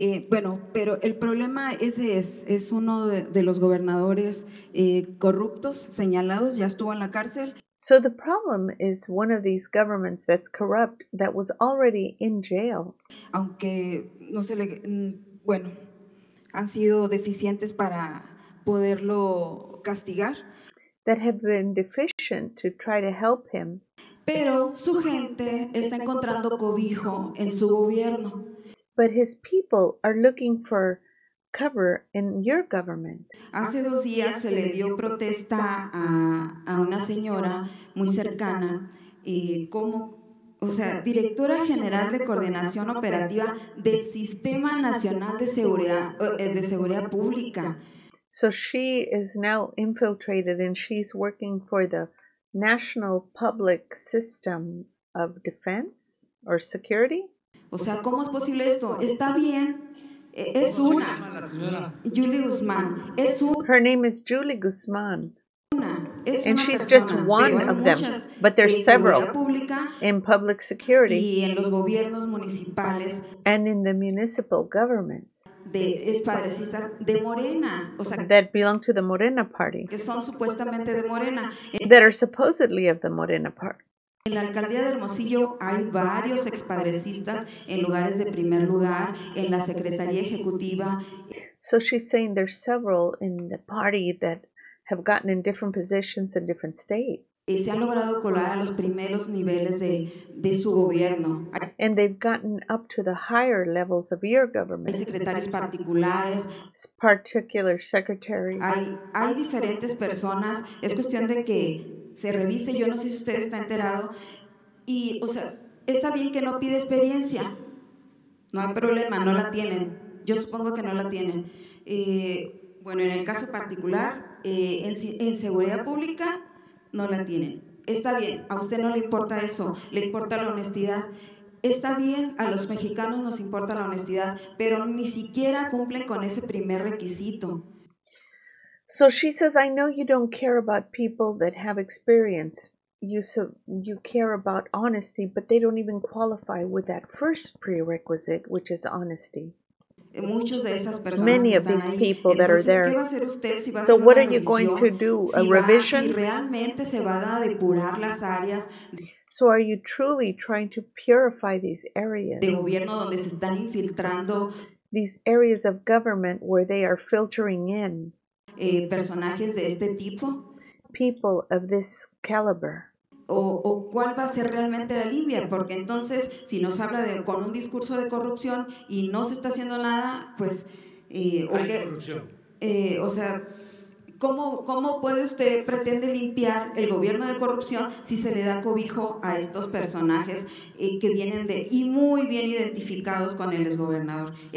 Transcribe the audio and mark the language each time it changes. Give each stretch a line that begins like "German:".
Spanish: Bueno, pero el problema ese es uno de los gobernadores corruptos señalados, ya estuvo en la cárcel.
English: So the problem is one of these governments that's corrupt that was already in jail.
Spanish: Aunque no se le, bueno, han sido deficientes para poderlo castigar.
English: That have been deficient to try to help him.
Spanish: Pero su gente está encontrando cobijo en su gobierno.
English: But his people are looking for cover in your government.
Spanish: Hace dos días se le dio protesta a una señora muy cercana y como, o sea, directora general de coordinación operativa del Sistema Nacional de Seguridad Pública.
English: So she is now infiltrated and she's working for the National Public System of Defense or Security.
Spanish: O sea, ¿cómo es posible esto? Está bien. Es una. Julie Guzmán. Es una.
English: Her name is Julie Guzmán.
Spanish: Una. Es
English: and
Spanish: una
English: she's
Spanish: persona,
English: just one of them. But there's several
Spanish: pública,
English: in public security.
Spanish: Y en los gobiernos municipales.
English: And in the municipal government.
Spanish: De expadrecistas de Morena. O sea,
English: that belong to the Morena party.
Spanish: Que son supuestamente de Morena.
English: That are supposedly of the Morena party.
Spanish: En la alcaldía de Hermosillo hay varios expadrecistas en lugares de primer lugar, en la Secretaría Ejecutiva.
English: So she's saying there's several in the party that have gotten in different positions in different states.
Spanish: se ha logrado colar a los primeros niveles de su gobierno.
English: And they've gotten up to the higher levels of your government.
Spanish: Hay secretarios particulares.
English: Particular secretaries.
Spanish: Hay diferentes personas. Es cuestión de que se revise. Yo no sé si usted está enterado. Y, o sea, está bien que no pida experiencia. No hay problema, no la tienen. Yo supongo que no la tienen. Bueno, en el caso particular, en seguridad pública, no la tienen. Está bien, a usted no le importa eso, le importa la honestidad. Está bien, a los mexicanos nos importa la honestidad, pero ni siquiera cumplen con ese primer requisito.
English: So she says, I know you don't care about people that have experience. You care about honesty, but they don't even qualify with that first prerequisite, which is honesty.
Spanish: Muchos de esas personas
English: Many
Spanish: que
English: of
Spanish: están
English: these
Spanish: ahí.
English: People that
Spanish: Entonces,
English: are there.
Spanish: ¿Qué va a hacer usted si va
English: so
Spanish: a hacer
English: what
Spanish: una
English: are you
Spanish: revisión?
English: Going to do?
Spanish: Si
English: a revision?
Spanish: Va, si realmente se van a depurar las áreas.
English: So are you truly trying to purify these areas?
Spanish: De gobierno donde se están infiltrando.
English: These areas of government where they are filtering in.
Spanish: Personajes de este tipo.
English: People of this caliber.
Spanish: O cuál va a ser realmente la limpia, porque entonces si nos habla de con un discurso de corrupción y no se está haciendo nada, pues okay, hay corrupción. O sea, ¿cómo puede usted pretende limpiar el gobierno de corrupción si se le da cobijo a estos personajes que vienen de y muy bien identificados con el exgobernador?